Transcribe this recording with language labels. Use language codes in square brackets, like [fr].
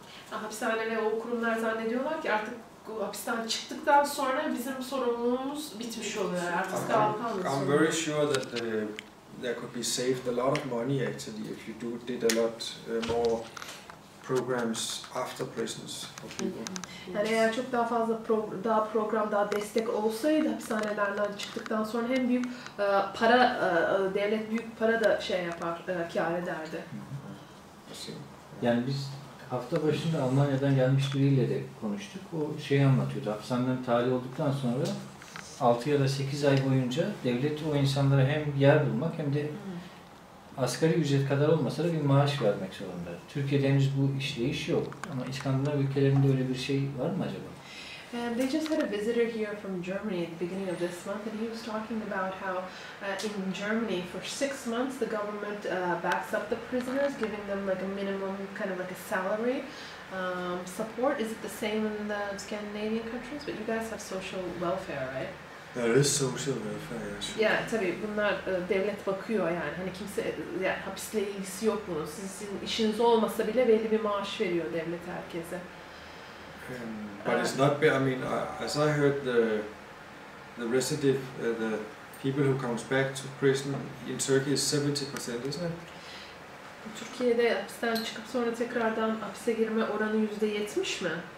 [tr] Hapishanede o kurumlar zannediyorlar ki artık. Hapisten çıktıktan sonra bizim sorumluluğumuz bitmiş oluyor. Artık kalkamıyoruz. [en] I'm very sure that there could be saved a lot of money actually if you did a lot more programs after prisons for people. [tr] Yani eğer çok daha fazla daha program daha destek olsaydı hapishanelerden çıktıktan sonra hem büyük para devlet büyük para da şey yapar kâr ederdi. Yani biz hafta başında Almanya'dan gelmiş biriyle de konuştuk. O şeyi anlatıyordu. Hapishaneden tahliye olduktan sonra 6 ya da 8 ay boyunca devlet o insanlara hem yer bulmak hem de asgari ücret kadar olmasa da bir maaş vermek zorunda. Türkiye'de henüz bu işleyiş yok. Ama İskandinav ülkelerinde öyle bir şey var mı acaba? [en] They just had a visitor here from Germany at the beginning of this month, and he was talking about how in Germany for 6 months the government backs up the prisoners, giving them like a minimum kind of like a salary support. Is it the same in the Scandinavian countries? But you guys have social welfare, right? [tr] Rus savaşı mı efendim? Ya tabii bunlar devlet bakıyor yani. Hani kimse yani hapisle ilgisi yok bunun. Sizin işiniz olmasa bile belli bir maaş veriyor devlet herkese. [en] But it's not be, I mean, as I heard the recidive, the people who comes back to prison in Turkey is 70%, isn't it? [tr] Türkiye'de hapisten çıkıp sonra tekrardan hapse girme oranı %70 mi?